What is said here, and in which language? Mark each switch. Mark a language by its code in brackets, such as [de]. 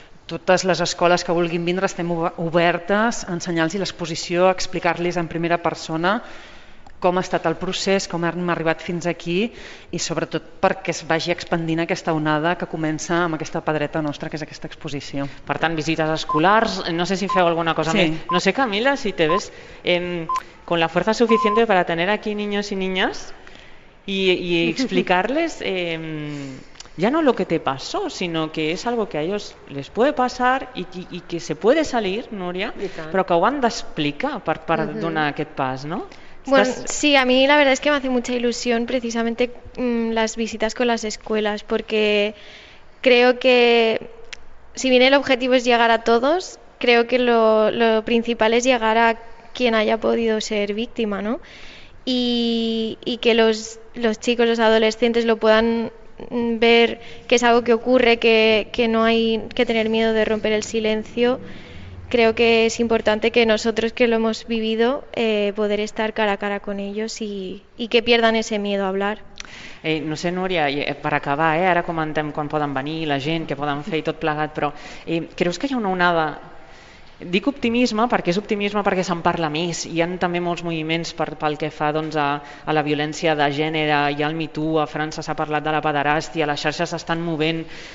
[ca] Totes les escoles que vulguin vindre estem obertes a ensenyar-los l'exposició, a explicar-los en primera persona com ha estat el procés, com hem arribat fins aquí i sobretot perquè es vagi expandint aquesta onada que comença amb aquesta pedreta nostra, que és aquesta exposició. Per tant, visites escolars, no sé si feu alguna cosa més. [es] No sé, Camila, si te ves con la fuerza suficiente para tener aquí niños y niñas y explicarles... ya no lo que te pasó, sino que es algo que a ellos les puede pasar y que se puede salir, Núria, [ca] pero que ho han d'explicar per [es] uh-huh. [ca] donar aquest pas, ¿no? [es] Bueno, sí, a mí la verdad es que me hace mucha ilusión precisamente las visitas con las escuelas, porque creo que si bien el objetivo es llegar a todos, creo que lo principal es llegar a quien haya podido ser víctima, ¿no? Y que los chicos, los adolescentes lo puedan... ver que es algo que ocurre, que no hay que tener miedo de romper el silencio. Creo que es importante que nosotros que lo hemos vivido poder estar cara a cara con ellos y que pierdan ese miedo a hablar. [ca] No sé, Núria, per acabar, ara comentem quan poden venir la gent, què poden fer i tot plegat, però creus que hi ha una onada Dic optimisme perquè és optimisme perquè se'n parla més. Hi ha també molts moviments pel que fa doncs, a la violència de gènere, i al MeToo, a França s'ha parlat de la pederàstia, les xarxes s'estan movent.